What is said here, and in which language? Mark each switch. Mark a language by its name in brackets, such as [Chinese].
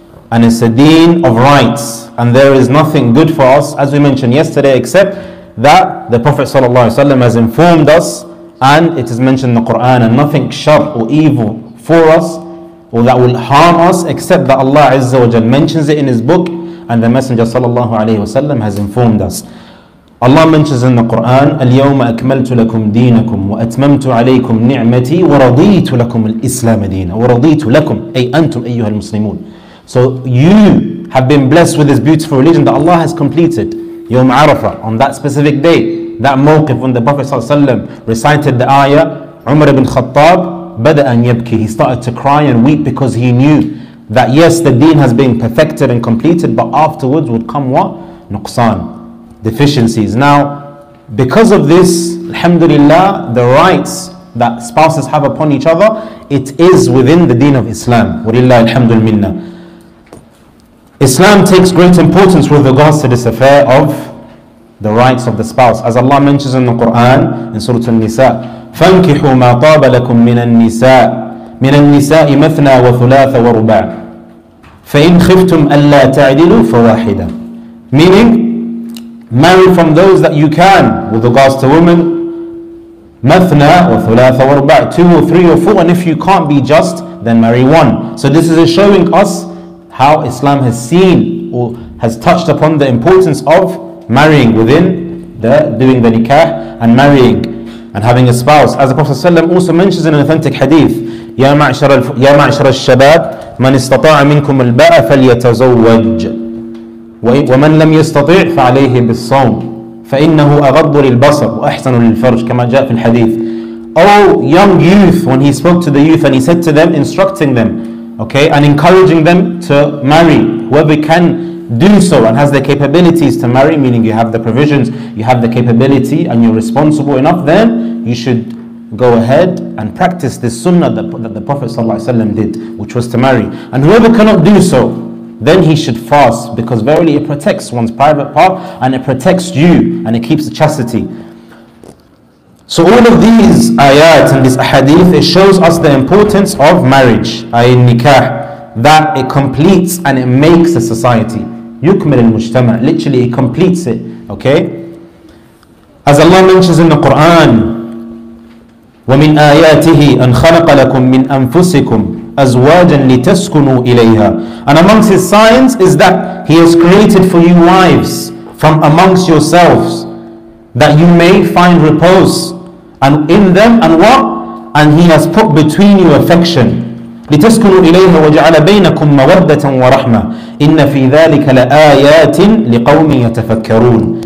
[English] And it's a deen of rights. And there is nothing good for us, as we mentioned yesterday, except that the Prophet ﷺ has informed us, and it is mentioned in the Quran, and nothing sharp or evil for us, or that will harm us, except that Allah Azza wa Jal mentions it in His book, and the Messenger sallallahu alayhi wa sallam has informed us. [Arabic] Allah mentions in the Quran, الْيَوْمَ أَكْمَلْتُ لَكُمْ دِينَكُمْ وَأَتْمَمْتُ عَلَيْكُمْ نِعْمَتِي وَرَضِيتُ لَكُمْ الْإِسْلَامَ دِينَ وَرَضِيتُ لَكُمْ أَيْ أَنْتُمْ أَيُّهَا الْمُسْلِمُونَ. [English] So you have been blessed with this beautiful religion that Allah has completed. [Arabic] يوم عرفة, [English] on that specific day, that mawqif when the Prophet sallallahu alayhi wa sallam recited the ayah, Umar ibn Khattab, he started to cry and weep because he knew that yes, the deen has been perfected and completed, but afterwards would come what? Nuqsan, deficiencies. Now, because of this, alhamdulillah, the rights that spouses have upon each other, it is within the deen of Islam. [Arabic] Walillah alhamdul minna. [English] Islam takes great importance with regards to this affair of the rights of the spouse. As Allah mentions in the Quran, in Surah Al-Nisa, [Arabic] فَانْكِحُوا مَا طَابَ لَكُمْ مِنَ النِّسَاءِ مَثْنَى وَثُلَاثَ وَرُبَعَ فَإِنْ خِفْتُمْ أَلَّا تَعْدِلُوا فَوَاحِدًا. [English] Meaning, marry from those that you can with regards to women, [Arabic] مَثْنَى وَثُلَاثَ وَرُبَعَ, [English] two or three or four, and if you can't be just, then marry one. So this is showing us how Islam has seen or has touched upon the importance of marrying within the doing the nikah and marrying and having a spouse. As the Prophet ﷺ also mentions in an authentic hadith, [Arabic] يا معشر الشباب من استطاع منكم الباء فليتزوج ومن لم يستطع فعليه بالصوم فإنه أغض للبصر وأحسن للفرج كما جاء في الحديث. [English] Oh young youth, when he spoke to the youth and he said to them, instructing them, okay, and encouraging them to marry, whoever can do so and has the capabilities to marry, meaning you have the provisions, you have the capability, and you're responsible enough, then you should go ahead and practice this sunnah that the Prophet ﷺ did, which was to marry. And whoever cannot do so, then he should fast, because verily it protects one's private part and it protects you and it keeps the chastity. So all of these ayat and this ahadith, it shows us the importance of marriage, ayin nikah, that it completes and it makes a society. [Arabic] Yukmil al-mujtama, [English] literally it completes it, okay? As Allah mentions in the Quran, [Arabic] وَمِنْ آيَاتِهِ أَنْ خَلَقَ لَكُمْ مِنْ أَنفُسِكُمْ أَزْوَاجًا لِتَسْكُنُوا إِلَيْهَا. [English] And amongst his signs is that he has created for you wives from amongst yourselves, that you may find repose and in them, and what? And he has put between you affection. [Arabic] لِتَسْكُنُوا إِلَيْهَا وَجَعَلَ بَيْنَكُمْ مَوَدَّةً وَرَحْمَةً إِنَّ فِي ذَلِكَ لَآيَاتٍ لِقَوْمٍ يَتَفَكَّرُونَ.